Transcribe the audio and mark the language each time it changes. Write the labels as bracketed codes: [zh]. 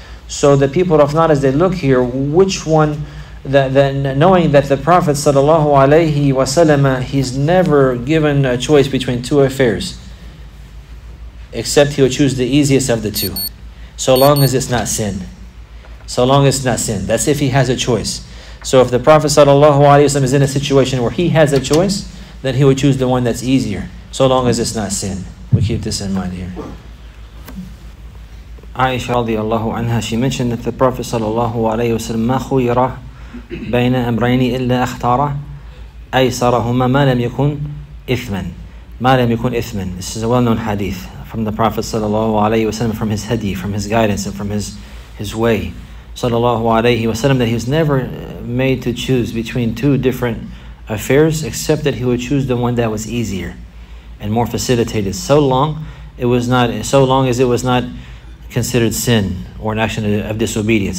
[en] So the people of Nod, as they look here, which one, knowing that the Prophet sallallahu alayhi wa sallam, he's never given a choice between two affairs, except he'll choose the easiest of the two, so long as it's not sin. That's if he has a choice. So if the Prophet sallallahu alayhi wa sallam is in a situation where he has a choice, then he will choose the one that's easier, so long as it's not sin. We keep this in mind here. [ar] Aisha radiallahu anha, [en] she mentioned that the Prophet [ar] sallallahu alayhi wa sallam, مَا خُيِّرَ بَيْنَ أَمْرَيْنِ إِلَّا أَخْتَارَ أَيْسَرَهُمَا مَا لَمْ يَكُنْ إِثْمًا مَا لَمْ يَكُنْ إِثْمًا. [en] This is a well-known hadith from the Prophet sallallahu alayhi wa sallam, from his hadith, from his guidance, and from his way sallallahu alayhi wa sallam, that he was never made to choose between two different affairs, except that he would choose the one that was easier and more facilitated, so long as it was not considered sin or an action of disobedience.